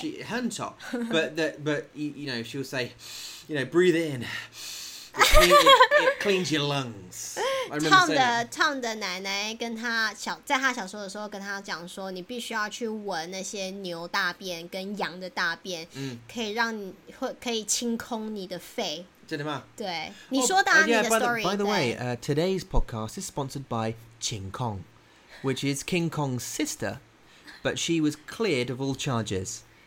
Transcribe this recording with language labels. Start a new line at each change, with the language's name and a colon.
English: She,
Chinese: 很臭,
English: but you know, she'll say, you know, breathe in. It cleans your lungs.
Chinese: 唱的奶奶跟她小时候的时候跟她讲说，你必须要去闻那些牛大便跟羊的大便，可以让你会可以清空你的肺。真的吗？对，你说的啊，你的 story。
English: By the way, today's podcast is sponsored by Qing Kong, which is King Kong's sister, but she was cleared of all charges.